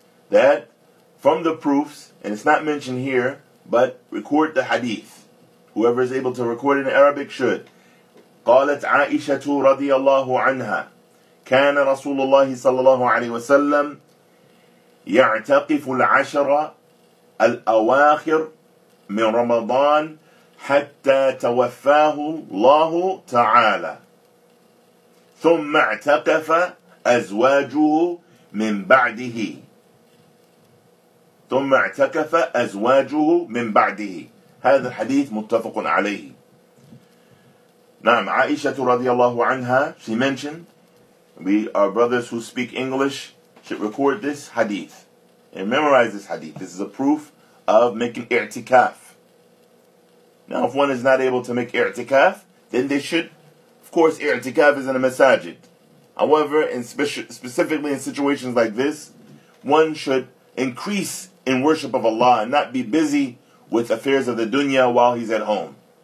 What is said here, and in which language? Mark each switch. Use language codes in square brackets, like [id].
[en] That, from the proofs, and it's not mentioned here, but record the hadith. Whoever is able to record it in Arabic should. [ar] قَالَتْ عَائِشَةُ رَضِيَ اللَّهُ عَنْهَا كَانَ رَسُولُ اللَّهِ صَلَّى اللَّهُ عَلَيْهِ وَسَلَّمْ يعتقف العشر الأواخر من رمضان حتى توفاه الله تعالى ثم اعتكف أزواجه من بعده ثم اعتكف أزواجه من بعده هذا الحديث متفق عليه نعم عائشة رضي الله عنها [en] she mentioned we are brothers who speak English should record this hadith And memorize this hadith. This is a proof of making i'tikaf. Now, if one is not able to make i'tikaf, then they should. Of course, i'tikaf is in a masajid. However, in specifically in situations like this, one should increase in worship of Allah and not be busy with affairs of the dunya while he's at home.